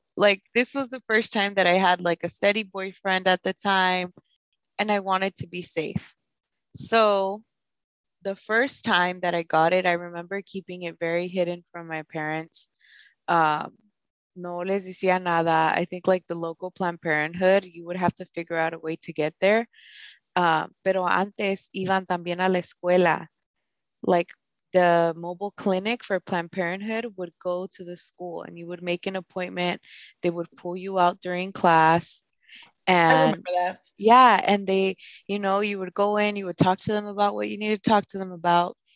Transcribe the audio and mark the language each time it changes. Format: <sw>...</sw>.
<en>like, this was the first time that I had, like, a steady boyfriend at the time, and I wanted to be safe. So the first time that I got it, I remember keeping it very hidden from my parents.</en> <es>No les decía nada.</es> <en>I think, like, the local Planned Parenthood, you would have to figure out a way to get there.</en> <es>Pero antes iban también a la escuela.</es> <en>Like, the mobile clinic for Planned Parenthood would go to the school and you would make an appointment. They would pull you out during class. And I remember that. Yeah. And they, you know, you would go in, you would talk to them about what you need to talk to them about.</en>